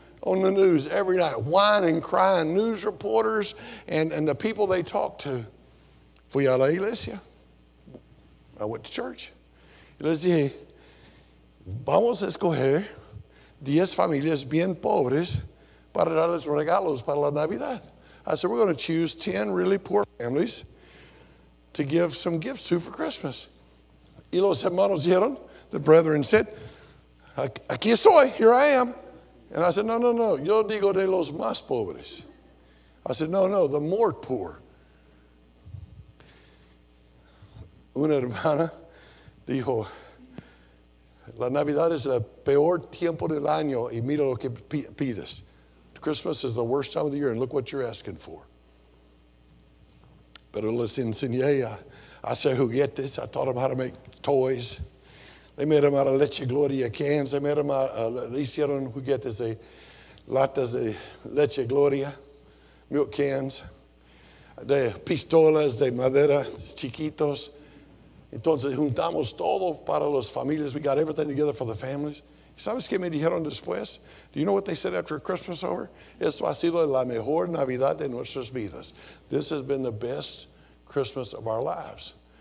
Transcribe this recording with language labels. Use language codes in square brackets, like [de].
[en] On the news every night, whining, crying, news reporters and the people they talked to. [es] Fui a la iglesia. [en] I went to church. [es] Y les dije, vamos a escoger 10 familias bien pobres para darles regalos para la Navidad. [en] I said, we're going to choose 10 really poor families to give some gifts to for Christmas. [es] Y los hermanos dijeron, [en] the brethren said, [es] aquí estoy, [en] here I am. And I said, no, [es] yo digo de los más pobres. [en] I said, no, the more poor. [es] Una hermana dijo, la Navidad es el peor tiempo del año y mira lo que pides. [en] Christmas is the worst time of the year and look what you're asking for. [es] Pero les enseñé a hacer juguetes. [en] I taught them how to make toys. They made them out of leche gloria cans. They made them out [es] hicieron juguetes de latas de leche gloria, [en] milk cans, [es] de pistolas de madera, chiquitos. Entonces juntamos todo para las familias. [en] We got everything together for the families. [es] ¿Sabes qué me dijeron después? [en] Do you know what they said after Christmas over? [es] Esto ha sido la mejor Navidad de nuestras vidas. [en] This has been the best Christmas of our lives.